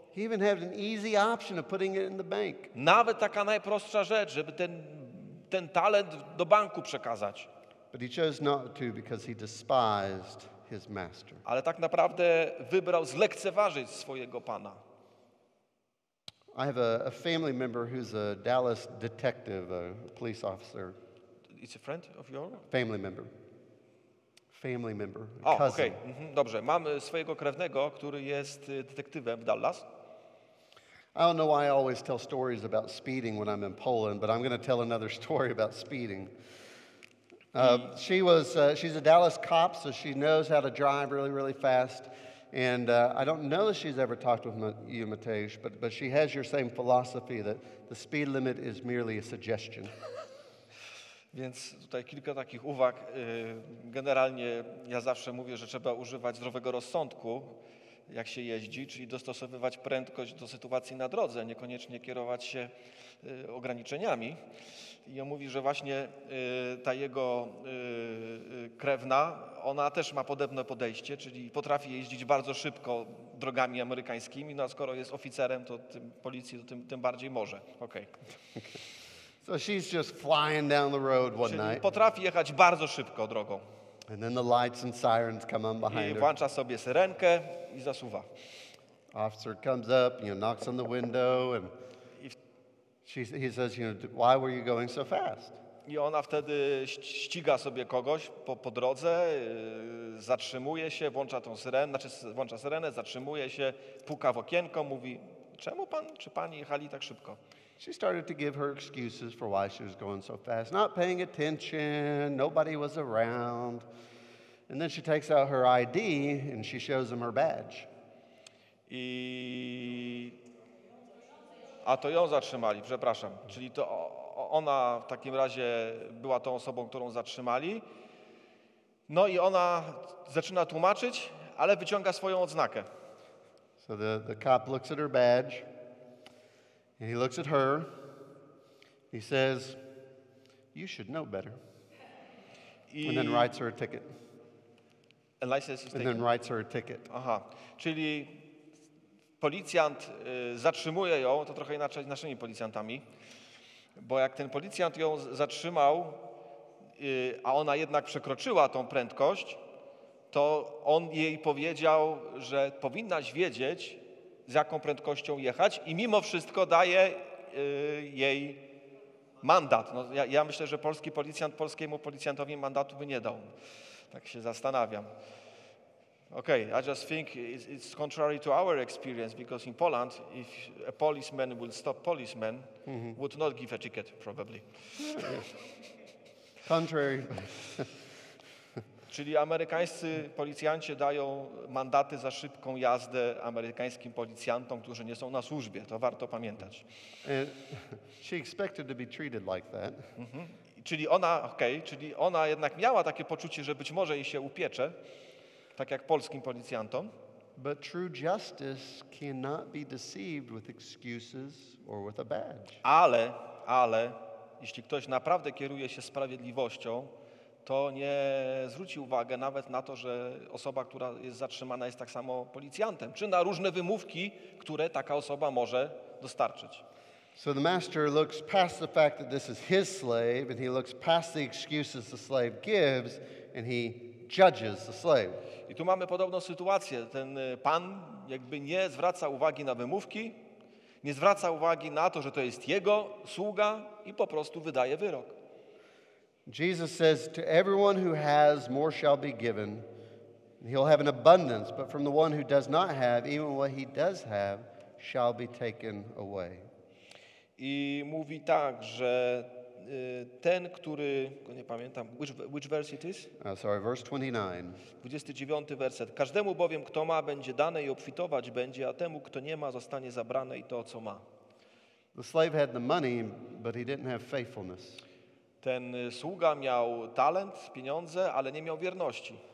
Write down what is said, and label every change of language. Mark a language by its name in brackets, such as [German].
[English] He even had an easy option of putting it in the bank. [Polish] Nawet taka najprostsza rzecz, żeby ten talent do banku przekazać. [English] But he chose not to because he despised his master. [Polish] Ale tak naprawdę wybrał zlekceważyć swojego pana. [English] I have a family member who's a Dallas detective, a police officer. It's a friend of yours? Family member. Family member. [Polish] O, okay. Dobrze. Mam swojego krewnego, który jest detektywem w Dallas. [English] I don't know why I always tell stories about speeding when I'm in Poland, but I'm going to tell another story about speeding. She's a Dallas cop, so she knows how to drive really, really fast. And I don't know if she's ever talked with you, Mateusz, but she has your same philosophy that the speed limit is merely a suggestion. [Polish] Więc tutaj kilka takich uwag. Generalnie ja zawsze mówię, że trzeba używać zdrowego rozsądku, jak się jeździ, czyli dostosowywać prędkość do sytuacji na drodze, niekoniecznie kierować się ograniczeniami. I on mówi, że właśnie ta jego krewna, ona też ma podobne podejście, czyli potrafi jeździć bardzo szybko drogami amerykańskimi, no a skoro jest oficerem, to tym policji to tym bardziej może. [English] Okej. Okay. So she's just flying down the road one [Polish] czyli [English] night. [Polish] Potrafi jechać bardzo szybko drogą. [English] And then the lights and sirens come on behind her. [Polish] I włącza sobie syrenkę i zasuwa. [English] Officer comes up, you know, knocks on the window, and he says, you know, why were you going so fast? [Polish] I ona wtedy ściga sobie kogoś po drodze, zatrzymuje się, włącza tą syrenę, znaczy włącza syrenę, zatrzymuje się, puka w okienko, mówi, czemu pan czy pani jechali tak szybko? [English] She started to give her excuses for why she was going so fast. Not paying attention, nobody was around. And then she takes out her ID and she shows them her badge. I... [Polish] A to ją zatrzymali, przepraszam. Czyli to ona w takim razie była tą osobą, którą zatrzymali. No i ona zaczyna tłumaczyć, ale wyciąga swoją odznakę. [English] So the cop looks at her badge. And he looks at her. He says, "You should know better." And then writes her a ticket. And license is taken. And then writes her a ticket. Aha. [Polish] Czyli policjant zatrzymuje ją, to trochę inaczej z naszymi policjantami. Bo jak ten policjant ją zatrzymał, a ona jednak przekroczyła tą prędkość, to on jej powiedział, że powinnaś wiedzieć, z jaką prędkością jechać i mimo wszystko daje jej mandat. No, ja myślę, że polski policjant polskiemu policjantowi mandatu by nie dał. Tak się zastanawiam. [English] Okay, I just think it's contrary to our experience because in Poland, if a policeman will stop policeman, would not give a ticket probably. Contrary. [Polish] Czyli amerykańscy policjanci dają mandaty za szybką jazdę amerykańskim policjantom, którzy nie są na służbie. To warto pamiętać. [English] She expected to be treated like that. Mm-hmm. [Polish] Czyli ona, okay, czyli ona jednak miała takie poczucie, że być może jej się upiecze, tak jak polskim policjantom. [English] But true justice cannot be deceived with excuses or with a badge. [Polish] Ale, jeśli ktoś naprawdę kieruje się sprawiedliwością, to nie zwróci uwagę nawet na to, że osoba, która jest zatrzymana, jest tak samo policjantem, czy na różne wymówki, które taka osoba może dostarczyć. [English] So the master looks past the fact that this is his slave and he looks past the excuses the slave gives and he judges the slave. [Polish] I tu mamy podobną sytuację. Ten pan jakby nie zwraca uwagi na wymówki, Nie zwraca uwagi na to, że to jest jego sługa i po prostu wydaje wyrok. [English] Jesus says to everyone who has more shall be given. He'll have an abundance, but from the one who does not have, even what he does have shall be taken away. [Polish] I mówi tak, że ten, który, nie pamiętam, [English] which verse it is? Verse 29. [Polish] 29 werset. Każdemu bowiem, kto ma, będzie dane i obfitować będzie, a temu, kto nie ma, zostanie zabrane i to, co ma. [English] The slave had the money, but he didn't have faithfulness. [Polish] Ten sługa miał talent, pieniądze, ale nie miał wierności.